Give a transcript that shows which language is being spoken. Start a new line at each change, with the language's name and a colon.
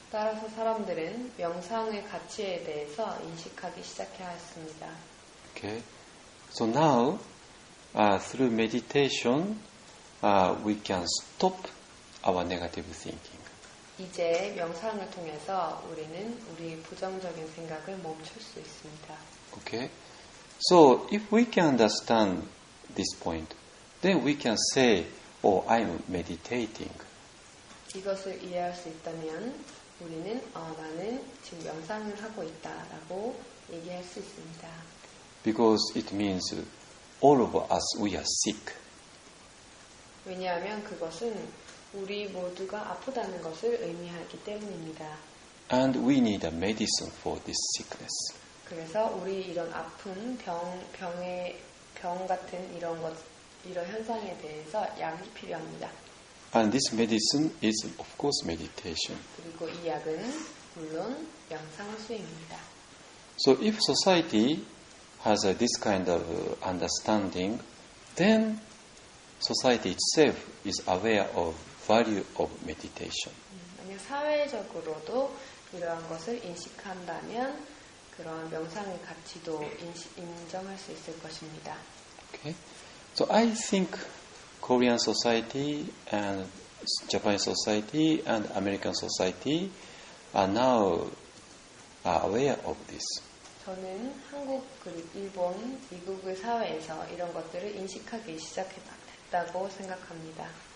Korean: 따라서 사람들은 명상의 가치에 대해서 인식하기 시작했습니다.
English: Okay. So now, through meditation, we can stop our negative thinking.
Korean: 이제 명상을 통해서 우리는 우리의 부정적인 생각을 멈출 수 있습니다.
English: Okay. So if we can understand this point, then we can say, "Oh, I'm meditating."
Korean: 이것을 이해할 수 있다면 우리는 나는 지금 명상을 하고 있다라고 얘기할 수 있습니다.
English: Because it means all of us, we are sick.
Korean: 왜냐하면 그것은 우리 모두가 아프다는 것을 의미하기 때문입니다.
English: And we need a medicine for this sickness.
Korean: 그래서 우리 이런 아픈 병 같은 이런 것, 이런 현상에 대해서 약이 필요합니다.
English: And this medicine is, of course, meditation.
Korean: 그리고 이 약은 물론 명상 수행입니다.
English: So if society has this kind of understanding, then society itself is aware of value of meditation.
Korean: 만약 사회적으로도 이러한 것을 인식한다면 그런 명상의 가치도 인정할 수 있을 것입니다.
English: Okay. So I think Korean society and Japanese society and American society are now aware of this.
Korean: 저는 한국, 그리고 일본, 미국의 사회에서 이런 것들을 인식하기 시작했다고 생각합니다.